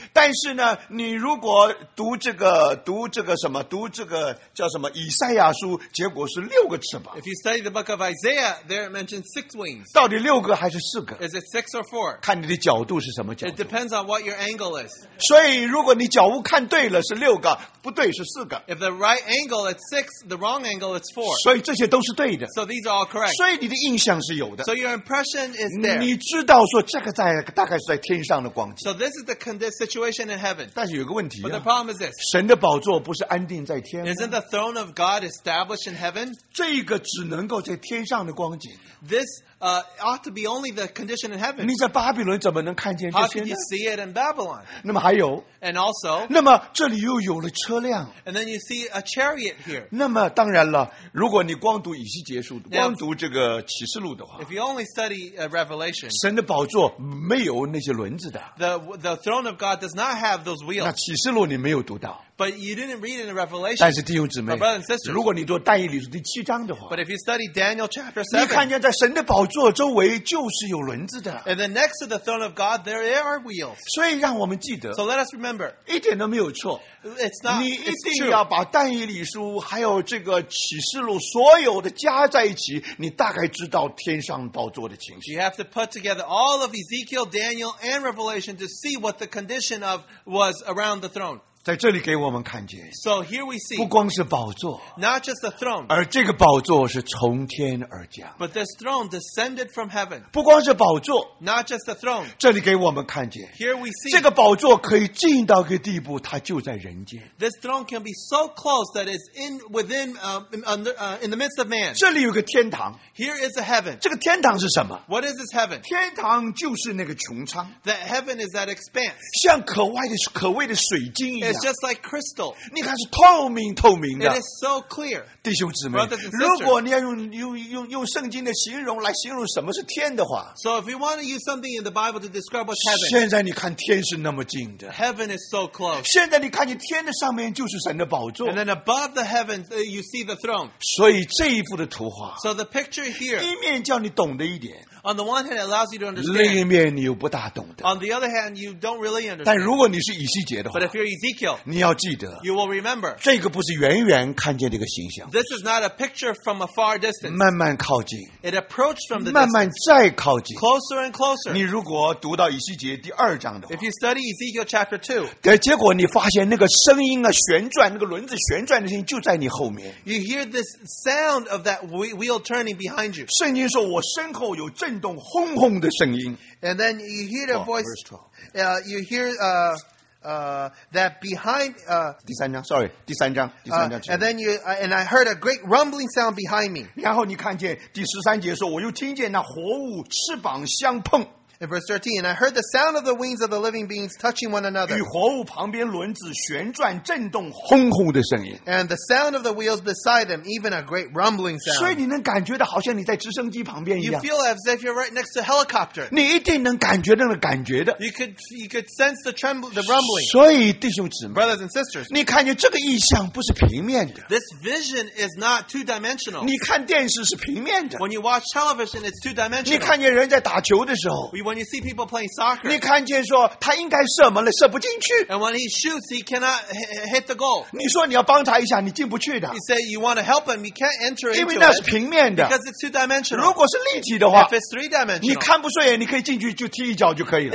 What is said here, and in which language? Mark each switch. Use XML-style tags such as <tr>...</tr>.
<zh>但是呢你如果读这个读这个什么读这个叫什么以赛亚书结果是六个翅膀</zh> <en>If you study the book of Isaiah, there it mentions six wings.</en> <zh>到底六个还是四个</zh> <en>Is it six or four?</en> <zh>看你的角度是什么角度</zh> <en>It depends on what your angle is.</en> <zh>所以如果你角度看对了是六个不对是四个</zh> <en>If the right angle is six, the wrong angle is four.</en> <zh>所以这些都是对的</zh> <en>So these are all correct.</en> <zh>所以你的印象是有的</zh> <en>So your impression is there.</en> <zh>你知道说这个在大概是在天上的光景。</zh> <en>So this is the situation in heaven.</en> <zh>但是有个问题、啊。</zh> <en>But the problem is this.</en> <zh>神的宝座不是安定在天吗</zh> <en>Isn't the throne of God established in heaven?</en> <zh>这个只能够在天上的光景。</zh> <en>This ought to be only the condition in heaven.</en> <zh>你在巴比伦怎么能看见这些呢</zh> <en>How can you see it in Babylon?</en> <zh>那么还有。</zh> <en>And also.</en> <zh>那么这里又有了车辆。</zh> <en>And then you see a chariot here.</en> <zh>那么当然了，如果你光读以西结书，光读这个启示录的话</zh> <en>，If you only study Revelation.</en> <zh>神的宝座没有那些轮子的。</zh> <en>The throne of God does not have those wheels.</en> <zh>那启示录你没有读到。</zh> <en>But you didn't read in the Revelation.</en> <zh>但是弟兄姊妹</zh> <en>But brothers and sisters,</en> <zh>如果你读但以理书第七章的话</zh> <en>But if you study Daniel chapter 7,</en> <zh>你看见在神的宝座周围就是有轮子的。</zh> <en>And then next to the throne of God, there are wheels.</en> <zh>所以让我们记得</zh> <en>So let us remember.</en> <zh>一点都没有错。</zh> <en>It's not,</en> <zh>你一定要把但以理书还有这个启示录所有的加在一起你大概知道天上宝座的情形。</zh> <en>You have to put together all of Ezekiel, Daniel, and Revelation to see what the condition of was around the throne.</en> <zh>在这里给我们看见</zh> <en>so here we see,</en> <zh>不光是宝座</zh> <en>not just the throne,</en> <zh>而这个宝座是从天而降</zh> <en>but this throne descended from heaven,</en> <zh>不光是宝座</zh> <en>not just the throne,</en> <zh>这里给我们看见</zh> <en>here we see,</en> <zh>这个宝座可以近到一个地步它就在人间</zh> <en>this throne can be so close that it's in, within, in the midst of man</en> <zh>这里有个天堂</zh> <en>here is a heaven</en> <zh>这个天堂是什么</zh> <en>what is this heaven?</en> <zh>天堂就是那个穹苍</zh> <en>that heaven is that expanse</en> <zh>像可谓的水晶一样</zh> <en>It's just like crystal.</en> <zh>你看是透明透明的。</zh> <en>It is so clear.</en> <zh>弟兄姊妹，如果你要用圣经的形容来形容什么是天的话</zh> <en>，So if you want to use something in the Bible to describe what's heaven,</en> <zh>现在你看天是那么近的。</zh> <en>Heaven is so close.</en> <zh>现在你看见天的上面就是神的宝座。</zh> <en>And then above the heavens, you see the throne.</en> <zh>所以这一幅的图画</zh> <en>，So the picture here,</en> <zh>一面叫你懂得一点。</zh> <en>On the one hand, it allows you to understand.</en> <zh>另一面你又不大懂得。</zh> <en>On the other hand, you don't really understand.</en> <zh>但如果你是以西结的话。</zh> <en>But if you're Ezekiel,</en> <zh>你要记得。</zh> <en>You will remember.</en> <zh>这个不是远远看见这个形象。</zh> <en>This is not a picture from a far distance.</en> <zh>慢慢靠近。</zh> <en>It approached from the distance.</en> <zh>慢慢再靠近。</zh> <en>Closer and closer.</en> <zh>你如果读到以西结第二章的话。</zh> <en>If you study Ezekiel chapter 2.</en> <zh>结果你发现那个声音啊旋转那个轮子旋转的声音就在你后面。</zh> <en>You hear this sound of that wheel turning behind you.</en> <zh>圣经说我身后有震动轰轰的声音。</zh> <en>And then you hear a voice, you hear, that behind,</en> <zh>第三章</zh> <en>sorry,</en> <zh>第三章第三章。</zh> <en>And then you, and I heard a great rumbling sound behind me.</en> <zh>然后你看见第十三节说我又听见那活物翅膀相碰。</zh> <en>In verse 13, and I heard the sound of the wings of the living beings touching one another.</en> <zh>与活物旁边轮子旋转震动轰轰的声音。</zh> <en>And the sound of the wheels beside them, even a great rumbling sound.</en> <zh>所以你能感觉到好像你在直升机旁边一样。</zh> <en>You feel as if you're right next to a helicopter.</en> <zh>你一定能感觉到那感觉的。</zh> <en>You could sense the tremble, the rumbling.</en> <zh>所以弟兄姊妹。</zh> <en>Brothers and sisters.</en> <zh>你看见这个意象不是平面的。</zh> <en>This vision is not two-dimensional.</en> <zh>你看电视是平面的。</zh> <en>When you watch television, it's two-dimensional.</en> <zh>你看见人在打球的时候。</zh> <en>When you see people playing soccer,</en> <zh>你看见说他应该射门了，射不进去。</zh> <en>And when he shoots, he cannot hit the goal.</en> <zh>你说你要帮他一下，你进不去的。</zh> <en>You say you want to help him, you can't enter into it.</en> <zh>因为那是平面的。</zh> <en>Because it's two-dimensional.</en> <zh>如果是立体的话</zh> <en>，if it's three-dimensional,</en> <zh>你看不顺眼，你可以进去就踢一脚就可以了。</zh>